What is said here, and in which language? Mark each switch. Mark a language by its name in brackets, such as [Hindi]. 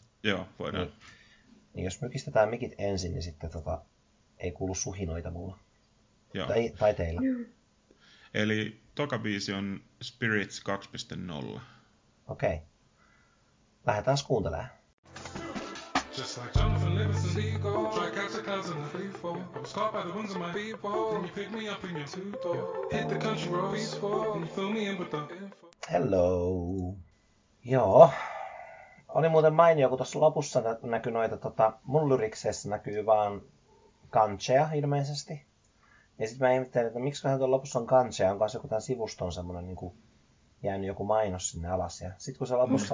[Finnish] Joo, voidaan. Niin jos mykistetään mikit ensin, niin sitten ei kuulu suhinoita mulla. Joo. Tai teillä. Eli toka biisi on Spirits 2.0. Okei. [English] Okay. [Finnish] Lähdetään kuuntelemaan. [English] Just like Jonathan Livingston's ego, I catch the clouds in the free-fall. I was caught by the wounds of my people, then you pick me up in your two-door. Hit the country roads, peaceful, and you fill me in with the info. Hello. [Finnish] Joo. Oli muuten mainio, kun tuossa lopussa näkyi noita mun lyrikseissä näkyy vaan kancheja ilmeisesti. Ja sit mä ihmettelin, että miksiköhän tuon lopussa on kancheja, onko se joku tämän sivuston semmonen niinku jäänyt joku mainos sinne alas. Ja sit kun se lopussa